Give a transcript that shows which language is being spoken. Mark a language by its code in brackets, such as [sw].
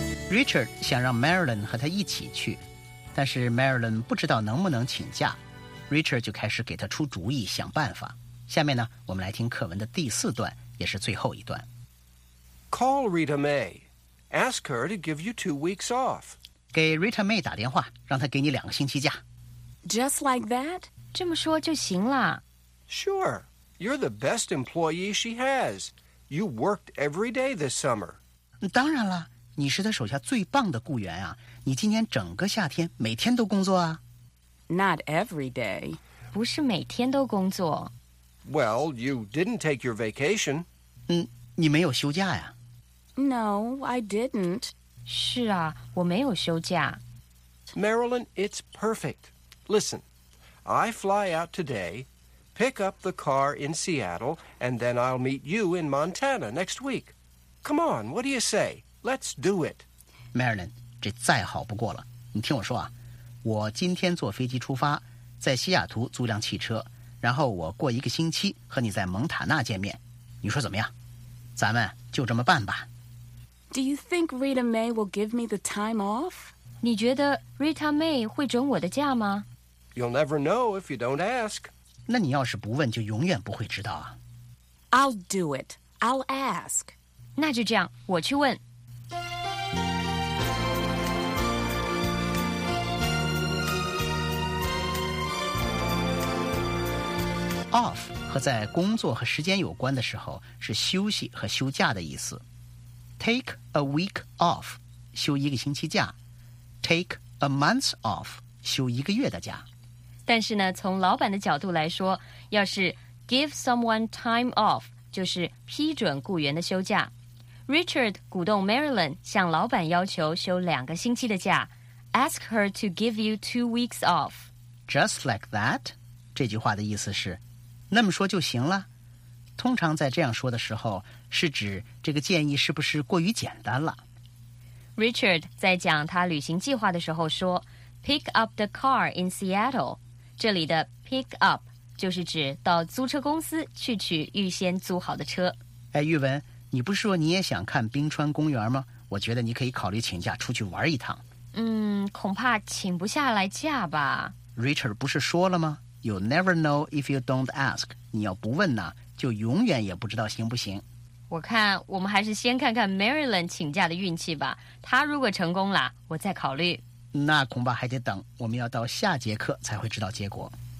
[zh] Richard 想让 Marilyn 和他一起去，但是 Marilyn 不知道能不能请假， Richard 就开始给他出主意想办法。下面呢，我们来听课文的第四段，也是最后一段。 [en] Call Rita May. Ask her to give you 2 weeks off. [zh] 给 Rita May 打电话，让她给你两个星期假。 [en] Just like that? [zh] 这么说就行了。 [en] Sure. You're the best employee she has. You worked every day this summer. [zh] 当然了，你是他手下最棒的雇员啊，你今年整个夏天每天都工作啊。 [en] Not every day. [zh] 不是每天都工作。 [en] Well, you didn't take your vacation. [zh] 你没有休假呀。 [en] No, I didn't. [zh] 是啊，我没有休假。 [en] Marilyn, it's perfect. Listen, I fly out today, pick up the car in Seattle, and then I'll meet you in Montana next week. Come on, what do you say? Let's do it. [zh] Marilyn, 这再好不过了。你听我说啊，我今天坐飞机出发，在西雅图租辆汽车，然后我过一个星期和你在蒙塔纳见面。你说怎么样？咱们就这么办吧。 [en] Do you think Rita May will give me the time off? [zh] 你觉得 Rita May 会准我的假吗？ [en] You'll never know if you don't ask. [zh] 那你要是不问，就永远不会知道啊。 [en] I'll do it. I'll ask. [zh] 那就这样，我去问。 Off 和在工作和时间有关的时候，是休息和休假的意思。 [en] Take a week off [zh] 休一个星期假， [en] Take a month off [zh] 休一个月的假。但是呢，从老板的角度来说，要是 [en] give someone time off [zh] 就是批准雇员的休假。 Richard 鼓动 Marilyn 向老板要求休两个星期的假， [en] Ask her to give you 2 weeks off. Just like that [zh] 这句话的意思是那么说就行了。通常在这样说的时候，是指这个建议是不是过于简单了。 Richard 在讲他旅行计划的时候说 [en] Pick up the car in Seattle， [zh] 这里的 pick up 就是指到租车公司去取预先租好的车。哎，玉文，你不是说你也想看冰川公园吗？我觉得你可以考虑请假出去玩一趟。恐怕请不下来假吧。 Richard 不是说了吗？ [en] You never know if you don't ask. [zh] 你要不问呢，就永远也不知道行不行。我看我们还是先看看 Marilyn 请假的运气吧。她如果成功了，我再考虑。那恐怕还得等，我们要到下节课才会知道结果。